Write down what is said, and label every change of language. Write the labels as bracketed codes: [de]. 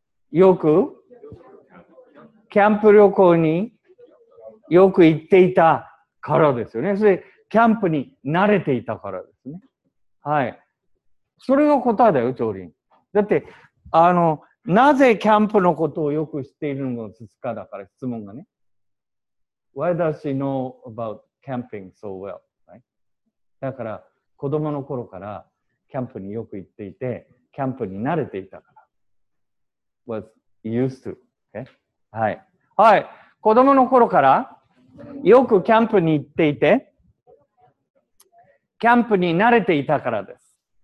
[ja] よく、キャンプ旅行によく行っていたからですよね。それ、キャンプに慣れていたからですね。はい。それが答えだよ、調理員。だって、なぜキャンプのことをよく知っているのですか？だから、質問がね。 [en] Why does she know about camping so well, right? [ja] だから子供の頃からキャンプによく行っていて、キャンプに慣れていたから。 [en] Was used to, okay? はい。はい。 [ja] 子供の頃からよくキャンプに行っていて、キャンプに慣れていたからです。